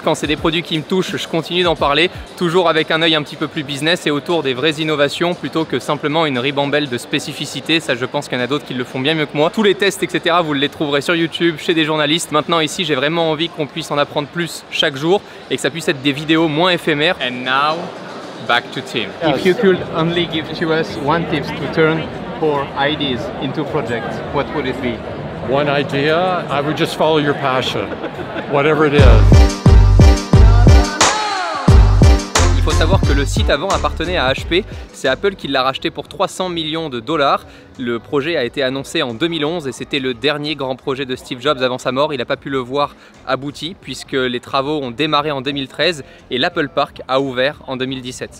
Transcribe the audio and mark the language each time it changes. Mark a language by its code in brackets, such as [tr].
[fr] Quand c'est des produits qui me touchent, je continue d'en parler, toujours avec un œil un petit peu plus business et autour des vraies innovations plutôt que simplement une ribambelle de spécificités. Ça, je pense qu'il y en a d'autres qui le font bien mieux que moi. Tous les tests, etc., vous les trouverez sur YouTube, chez des journalistes. Maintenant, ici, j'ai vraiment envie qu'on puisse en apprendre plus chaque jour et que ça puisse être des vidéos moins éphémères. [en] And now, back to Tim. If you could only give to us one tip to turn four ideas into projects, what would it be? One idea, I would just follow your passion, whatever it is. [fr] Il faut savoir que le site avant appartenait à HP. C'est Apple qui l'a racheté pour 300 millions de dollars. Le projet a été annoncé en 2011 et c'était le dernier grand projet de Steve Jobs avant sa mort. Il n'a pas pu le voir abouti puisque les travaux ont démarré en 2013 et l'Apple Park a ouvert en 2017.